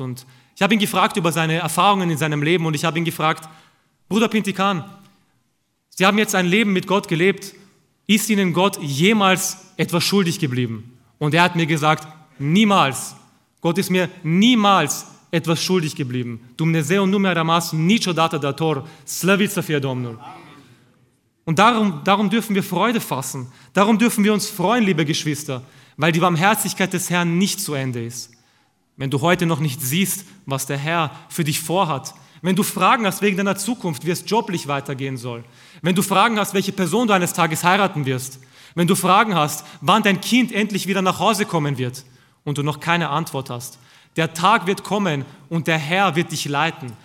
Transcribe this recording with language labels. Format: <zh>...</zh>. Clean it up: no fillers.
<de>Und ich habe ihn gefragt über seine Erfahrungen in seinem Leben und ich habe ihn gefragt, Bruder Pintikan, Sie haben jetzt ein Leben mit Gott gelebt, ist Ihnen Gott jemals etwas schuldig geblieben? Und er hat mir gesagt, niemals, Gott ist mir niemals etwas schuldig geblieben.</de> <ro>Dumnezeu numai ramas niciodată dator, slăvit să fie Domnul.</ro> <de>Und darum dürfen wir Freude fassen. Darum dürfen wir uns freuen, liebe Geschwister, weil die Barmherzigkeit des Herrn nicht zu Ende ist. Wenn du heute noch nicht siehst, was der Herr für dich vorhat, Wenn du Fragen hast wegen deiner Zukunft, wie es joblich weitergehen soll, wenn du Fragen hast, welche Person du eines Tages heiraten wirst, wenn du Fragen hast, wann dein Kind endlich wieder nach Hause kommen wird und du noch keine Antwort hast, der Tag wird kommen und der Herr wird dich leiten.</de>